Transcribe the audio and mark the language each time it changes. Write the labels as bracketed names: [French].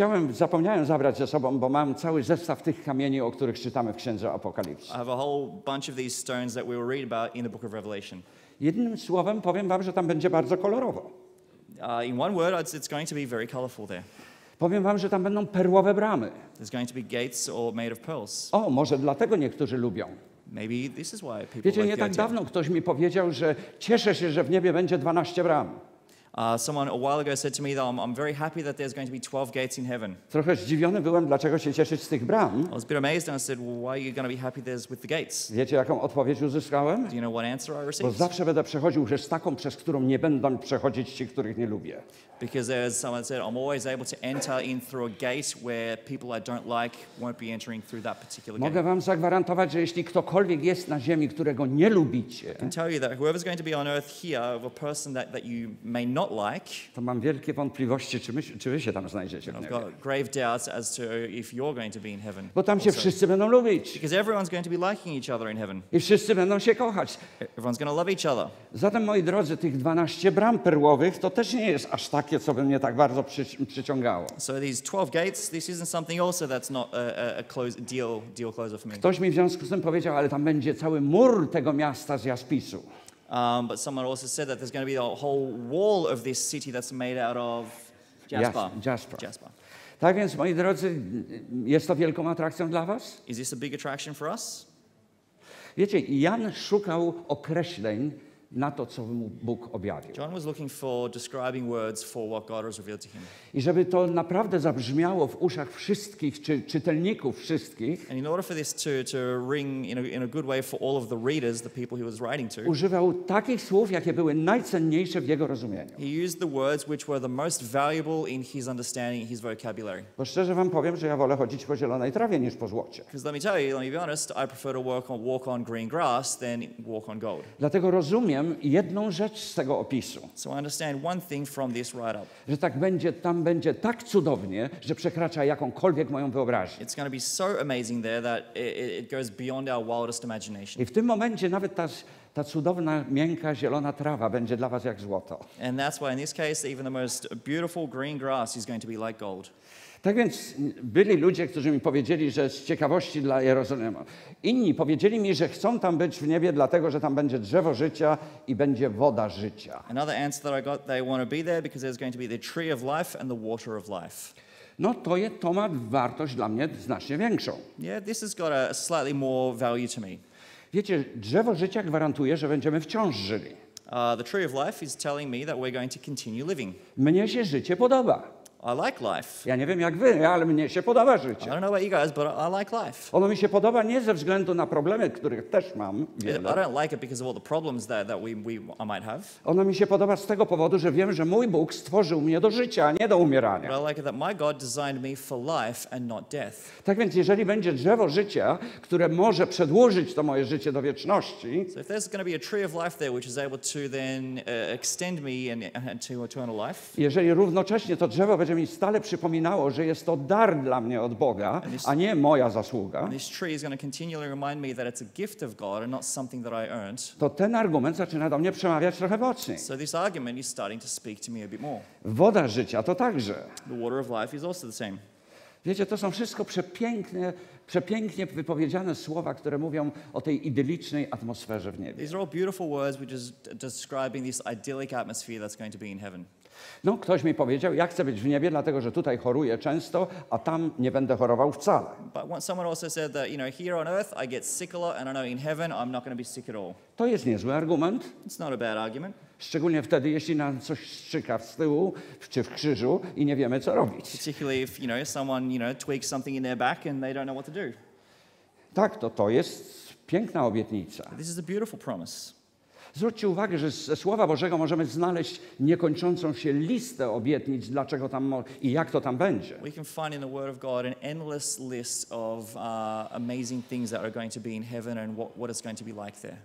[Polish] Zapomniałem zabrać ze sobą, bo mam cały zestaw tych kamieni, o których czytamy w Księdze Apokalipsy. [English] I have a whole bunch of these stones that we will read about in the Book of Revelation. [Polish] Jednym słowem powiem wam, że tam będzie bardzo kolorowo. [English] In one word, it's going to be very colorful there. [Polish] Powiem wam, że tam będą perłowe bramy. [English] There's going to be gates or made of pearls. [Polish] O, może dlatego niektórzy lubią. [English] Maybe this is why people [Polish] wiecie, [English] like [Polish] nie tak dawno ktoś mi powiedział, że cieszę się, że w niebie będzie 12 bram. [English] Someone a while ago said to me that I'm very happy that there's going to be 12 gates in heaven. [Polish] Trochę zdziwiony byłem, dlaczego się cieszyć z tych bram. [English] I was a bit amazed and I said, well, why are you going to be happy there's with the gates? [Polish] Wiecie, jaką odpowiedź uzyskałem? [English] Do you know what answer I received? [Polish] Bo zawsze będę przechodził przez taką, przez którą nie będą przechodzić ci, których nie lubię. [English] Because as someone said, I'm always able to enter in through a gate where people I don't like won't be entering through that particular gate. [Polish] Mogę wam zagwarantować, że jeśli ktokolwiek jest na ziemi, którego nie lubicie, [English] I can tell you that whoever's going to be on earth here of a person that you may not like, [Polish] to mam wielkie wątpliwości, czy wy się tam znajdziecie. [English] I've got grave doubts as to if you're going to be in heaven. [Polish] Bo tam się wszyscy będą lubić. [English] Because everyone's going to be liking each other in heaven. [Polish] I wszyscy będą się kochać. [English] Everyone's going to love each other. [Polish] Zatem, moi drodzy, tych 12 bram perłowych to też nie jest aż takie, co by mnie tak bardzo przyciągało. [English] So these 12 gates, this isn't something also that's not a close deal closer for me. [Polish] Ktoś mi w związku z tym powiedział, ale tam będzie cały mur tego miasta z jaspisu. [English] But someone also said that there's going to be a whole wall of this city that's made out of jasper. Jasper. [Polish] Tak więc, moi drodzy, jest to wielką atrakcją dla was? [English] Is this a big attraction for us? [Polish] Wiecie, Jan szukał określeń na to, co mu Bóg objawił. [English] John was looking for describing words for what God has revealed to him. [Polish] I żeby to naprawdę zabrzmiało w uszach wszystkich, czy czytelników wszystkich. [English] And in order for this to ring in a good way for all of the readers, the people he was writing to. [Polish] Używał takich słów, jakie były najcenniejsze w jego rozumieniu. [English] He used the words which were the most valuable in his understanding, his vocabulary. [Polish] Bo szczerze wam powiem, że ja wolę chodzić po zielonej trawie niż po złocie. [English] Because let me tell you, let me be honest, I prefer to walk on green grass than walk on gold. [Polish] Dlatego rozumiem jedną rzecz z tego opisu. [English] So I understand one thing from this write-up. [Polish] Że tak będzie, tam będzie tak cudownie, że przekracza jakąkolwiek moją wyobraźnię. [English] It's going to be so amazing there that it goes beyond our wildest imagination. [Polish] I w tym momencie nawet ta cudowna, miękka, zielona trawa będzie dla was jak złoto. [English] And that's why in this case even the most beautiful green grass is going to be like gold. [Polish] Tak więc byli ludzie, którzy mi powiedzieli, że z ciekawości dla Jerozolimy. Inni powiedzieli mi, że chcą tam być w niebie, dlatego że tam będzie drzewo życia i będzie woda życia. [English] Another answer that I got, they want to be there because there's going to be the tree of life and the water of life. [Polish] No to ma wartość dla mnie znacznie większą. [English] Yeah, this has got a slightly more value to me. [Polish] Wiecie, drzewo życia gwarantuje, że będziemy wciąż żyli. [English] The tree of life is telling me that we're going to continue living. [Polish] Mnie się życie podoba. [English] I like life. [Polish] Ja nie wiem jak wy, ale mnie się podoba życie. [English] I don't know about you guys, but I like life. [Polish] Ono mi się podoba nie ze względu na problemy, których też mam wiele. [English] I don't like it because of all the problems that I might have. [Polish] Ono mi się podoba z tego powodu, że wiem, że mój Bóg stworzył mnie do życia, a nie do umierania. [English] But I like it that my God designed me for life and not death. [Polish] Tak więc, jeżeli będzie drzewo życia, które może przedłużyć to moje życie do wieczności. [English] So if there's going to be a tree of life there, which is able to then extend me and to eternal life. [Polish] Jeżeli równocześnie to drzewo będzie mi stale przypominało, że jest to dar dla mnie od Boga, a nie moja zasługa. [English] This tree is going to continually remind me that it's a gift of God and not something that I earned. [Polish] To ten argument zaczyna do mnie przemawiać trochę mocniej. [English] So this argument is starting to speak to me a bit more. [Polish] Woda życia to także. [English] The water of life is also the same. [Polish] Wiecie, to są wszystko przepięknie wypowiedziane słowa, które mówią o tej idylicznej atmosferze w niebie. [English] These are all beautiful words which is describing this idyllic atmosphere that's going to be in heaven. [Polish] No, ktoś mi powiedział, ja chcę być w niebie, dlatego że tutaj choruję często, a tam nie będę chorował wcale. [English] But someone also said that, you know, here on earth I get sick a lot and I know in heaven I'm not going to be sick at all. [Polish] To jest niezły argument. [English] It's not a bad argument. [Polish] Szczególnie wtedy, jeśli nam coś strzyka z tyłu, czy w krzyżu i nie wiemy, co robić. [English] Particularly if, you know, someone, you know, tweaks something in their back and they don't know what to do. [Polish] Tak, to jest piękna obietnica. [English] This is a beautiful promise. [Polish] Zwróćcie uwagę, że ze Słowa Bożego możemy znaleźć niekończącą się listę obietnic, dlaczego tam i jak to tam będzie. [English] We can find in the Word of God an endless list of amazing things that are going to be in heaven and what it's going to be like there.